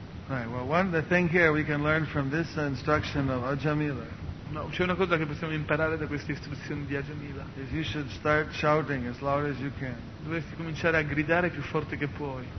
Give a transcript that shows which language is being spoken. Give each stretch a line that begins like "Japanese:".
English: Right, well, one the thing here we can learn from this instruction of Ajamila.
Italian: No, c'è una cosa che possiamo imparare da queste istruzioni di Ajamila.
English: Is you should start shouting as loud as you can.
Italian: Dovresti cominciare a gridare più forte che puoi.